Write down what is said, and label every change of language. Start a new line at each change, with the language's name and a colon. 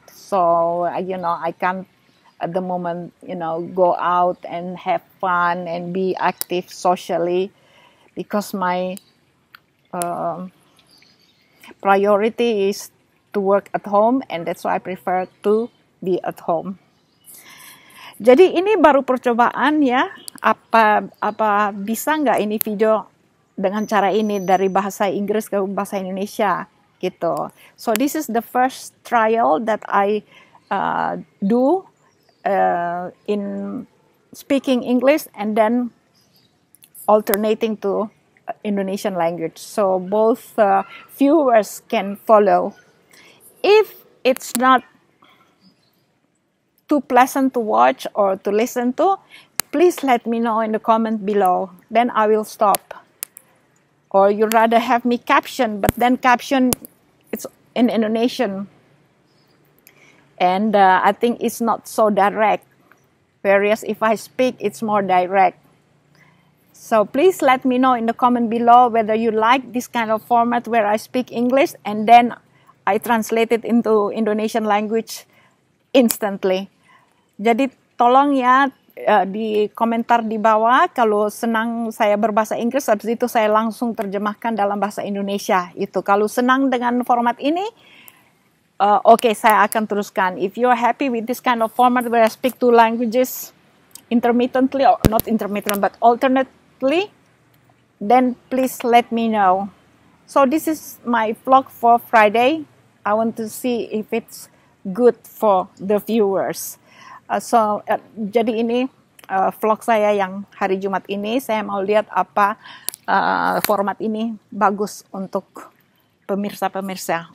English: So, you know, I can't at the moment, you know, go out and have fun and be active socially because my priority is to work at home, and that's why I prefer to be at home.
Indonesian: Jadi ini baru percobaan ya. Apa bisa nggak ini video dengan cara ini dari bahasa Inggris ke bahasa Indonesia gitu.
English: So this is the first trial that I do in speaking English and then alternating to Indonesian language. So both viewers can follow. If it's not too pleasant to watch or to listen to, please let me know in the comment below. Then I will stop. Or you'd rather have me caption, but then caption, it's in Indonesian. And I think it's not so direct. Whereas if I speak, it's more direct. So please let me know in the comment below whether you like this kind of format where I speak English and then I translate it into Indonesian language instantly.
Indonesian: Jadi tolong ya di komentar di bawah kalau senang saya berbahasa Inggris, habis itu saya langsung terjemahkan dalam bahasa Indonesia. Itu kalau senang dengan format ini, okay, saya akan teruskan.
English: If you are happy with this kind of format where I speak two languages intermittently, or not intermittently but alternately, then please let me know. So this is my vlog for Friday. I want to see if it's good for the viewers.
Indonesian: Jadi ini vlog saya yang hari Jumat ini. Saya mau lihat apa format ini bagus untuk pemirsa-pemirsa.